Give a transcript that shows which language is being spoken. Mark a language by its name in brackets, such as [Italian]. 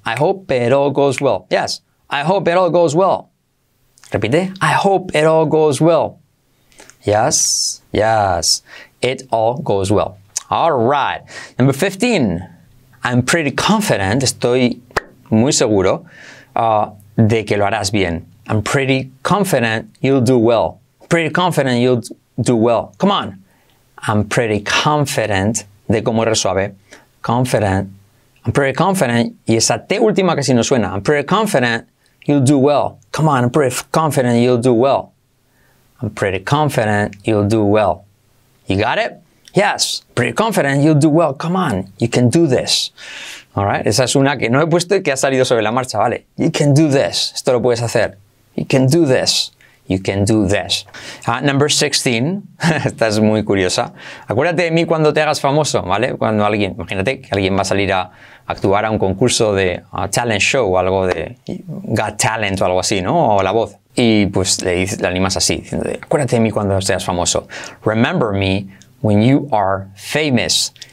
[English] I hope it all goes well. Yes. I hope it all goes well. [Spanish] Repite. [English] I hope it all goes well. Yes. Yes. It all goes well. All right. Number 15. I'm pretty confident. [Spanish] Estoy muy seguro de que lo harás bien. [English] I'm pretty confident you'll do well. Pretty confident you'll do well. Come on. I'm pretty confident, [Spanish] de como R suave, [English] confident, I'm pretty confident, [Spanish] y esa T última casi no suena, [English] I'm pretty confident you'll do well, come on, I'm pretty confident you'll do well, I'm pretty confident you'll do well, you got it? Yes, pretty confident you'll do well, come on, you can do this, alright, [Spanish] esa es una que no he puesto y que ha salido sobre la marcha, vale, [English] you can do this, [Spanish] esto lo puedes hacer, [English] you can do this. You can do this. Number 16. [Spanish] Esta es muy curiosa. Acuérdate de mí cuando te hagas famoso, ¿vale? Cuando alguien, imagínate que alguien va a salir a actuar a un concurso de a talent show o algo de Got Talent o algo así, ¿no? O La Voz. Y pues le animas así, diciendo, acuérdate de mí cuando seas famoso. [English] Remember me when you are famous.